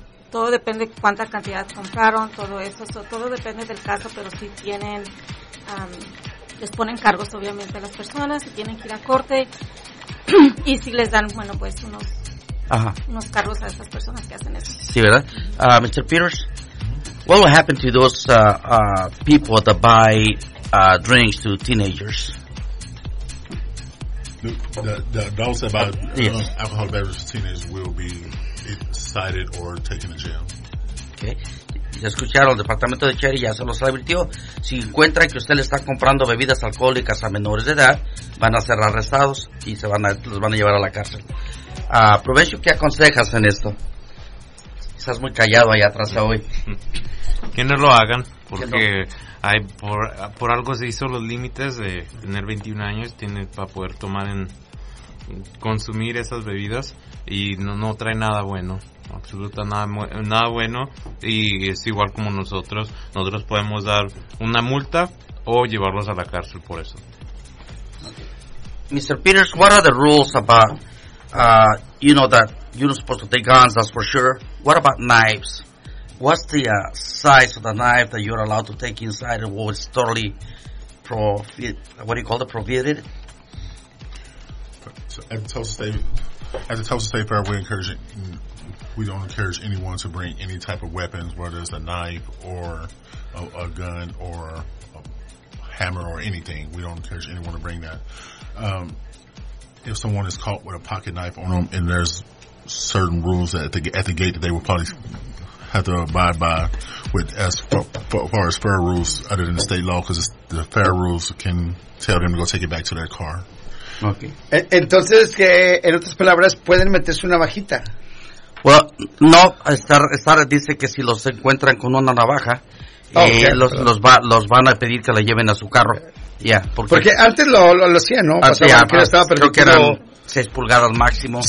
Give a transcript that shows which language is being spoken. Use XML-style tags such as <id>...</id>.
<es>Todo depende cuánta cantidad compraron, todo eso. So, todo depende del caso, pero si tienen, les ponen cargos obviamente a las personas, si tienen que ir a corte, y si les dan, bueno, pues unos, ajá, unos cargos a esas personas que hacen eso. Sí, ¿verdad? Mr.</es> <en>Peters, what will happen to those people that buy drinks to teenagers? The adults that buy alcohol beverages to teenagers will be cited or taken to jail. Okay.</en> <es>Ya escucharon, el departamento de Cherry ya se los advirtió. Si encuentra que usted le está comprando bebidas alcohólicas a menores de edad, van a ser arrestados y se van a, los van a llevar a la cárcel. Provecho, ¿qué aconsejas en esto? Estás muy callado allá atrás hoy. Que no lo hagan, porque no. Hay por algo se hizo los límites de tener 21 años tiene para poder tomar en consumir esas bebidas y no trae nada bueno, absolutamente nada bueno, y es igual como nosotros podemos dar una multa o llevarlos a la cárcel por eso.</es> <en>Mr. Peters, what are the rules about you know that you're not supposed to take guns, that's for sure. What about knives? What's the size of the knife that you're allowed to take inside? And what is totally prohibited? So at the Tulsa State Fair, we don't encourage anyone to bring any type of weapons, whether it's a knife or a gun or a hammer or anything. We don't encourage anyone to bring that. If someone is caught with a pocket knife on them, and there's certain rules at the gate that they will probably have to abide by with as far as fair rules other than the state law, because the fair rules can tell them to go take it back to their car. Okay.</en> <es>Entonces, en otras palabras, pueden meterse una navajita. Well, no, estar dice que si los encuentran con una navaja, los van a pedir que la lleven a su carro.</es> <en>Yeah,</en> <es>porque antes lo hacía, ¿no? Pasaba, ya, que estaba permitido, creo que eran 6 pulgadas máximo.</es>